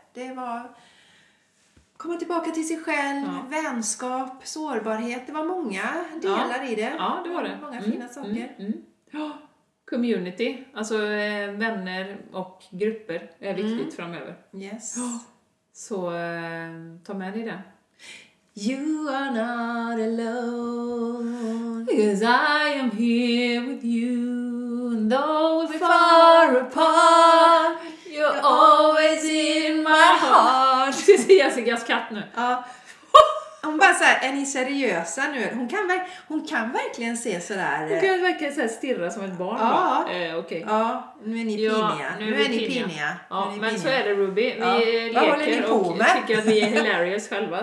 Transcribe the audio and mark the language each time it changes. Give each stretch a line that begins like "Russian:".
Swedish: Det var komma tillbaka till sig själv, vänskap, sårbarhet. Det var många delar i det. Ja, det var det. Många fina saker. Ja. Community, alltså vänner och grupper är viktigt framöver.
English: Yes.
Swedish: Så ta med dig det.
English: You are not alone, because I am here with you. Though we're far apart, you're always in my heart.
Swedish: Du ser Jessicas katt nu. Ja. Hon bara såhär, är ni seriösa nu? Hon kan verkligen se sådär. Hon kan verkligen såhär stirra som ett barn. Ja,
English: okay.
Swedish: Ja, nu är ni piniga. Ja, men piniga. Så är det, Ruby. Vi leker på och med? Tycker att vi är hilarious själva.